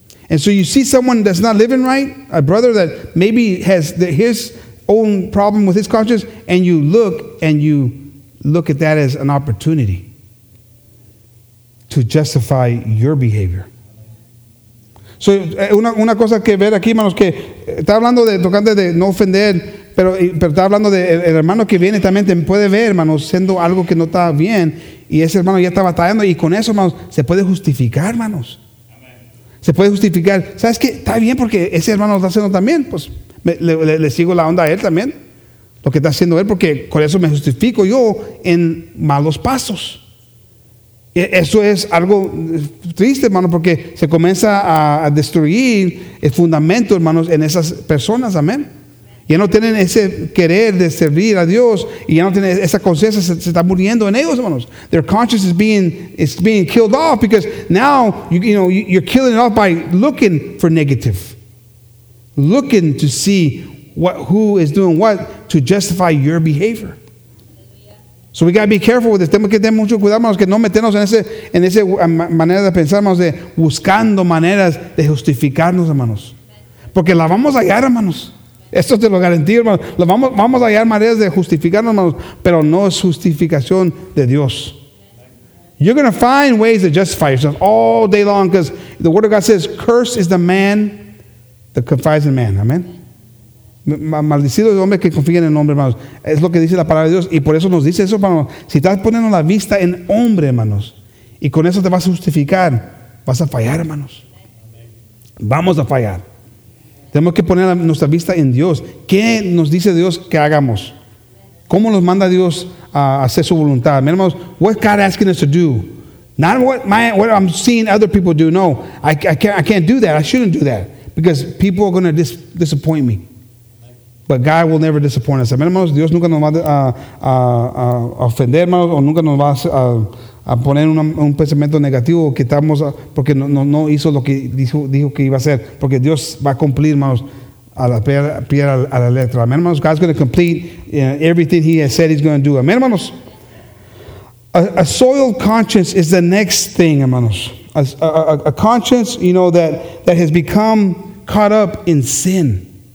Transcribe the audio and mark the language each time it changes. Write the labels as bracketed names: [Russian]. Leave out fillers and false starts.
[English] And so you see someone that's not living right, a brother that maybe has his own problem with his conscience, and you look at that as an opportunity to justify your behavior. [Spanish] So, una cosa que ver aquí, hermanos, que está hablando de tocante de no ofender, pero está hablando de el hermano que viene también te puede ver, hermanos, siendo algo que no está bien, y ese hermano ya está batallando, y con eso, hermanos, se puede justificar, hermanos. Se puede justificar, ¿sabes qué? Está bien porque ese hermano lo está haciendo también, pues le sigo la onda a él también, lo que está haciendo él, porque con eso me justifico yo en malos pasos. Eso es algo triste, hermano, porque se comienza a destruir el fundamento, hermanos, en esas personas, amén. Ya no tienen ese querer de servir a Dios y ya no tienen esa conciencia, se está muriendo en ellos, hermanos. [English] Their conscience is being killed off because now, you're killing it off by looking for negative. Looking to see who is doing what to justify your behavior. So we got to be careful with this. [Spanish] Tenemos que tener mucho cuidado, hermanos, que no meternos en ese manera de pensar, hermanos, de buscando maneras de justificarnos, hermanos. Porque la vamos a hallar, hermanos. Esto te lo garantizo, hermanos. Vamos a hallar maneras de justificarnos, hermanos, pero no es justificación de Dios. [English] You're going to find ways to justify yourself all day long because the Word of God says, cursed is the man that confides in man. Amen. [Spanish] Maldecido el hombre que confía en el hombre, hermanos. Es lo que dice la palabra de Dios y por eso nos dice eso, hermanos. Si estás poniendo la vista en hombre, hermanos, y con eso te vas a justificar, vas a fallar, hermanos. Vamos a fallar. Tenemos que poner nuestra vista en Dios. ¿Qué nos dice Dios que hagamos? ¿Cómo nos manda Dios a hacer su voluntad? Amén, hermanos. [English] What God asking us to do? Not what I'm seeing other people do. No, I can't do that. I shouldn't do that. Because people are going to disappoint me. But God will never disappoint us. [Spanish] Amén, hermanos. Dios nunca nos va a ofender, hermanos. O nunca nos va a poner un pensamiento negativo que estamos porque no hizo lo que dijo que iba a hacer, porque Dios va a cumplir, hermanos, a la letra. Amén, hermanos. [English] God's going to complete everything he has said he's going to do. Amén, hermanos. A soiled conscience is the next thing, hermanos. A conscience, you know, that has become caught up in sin.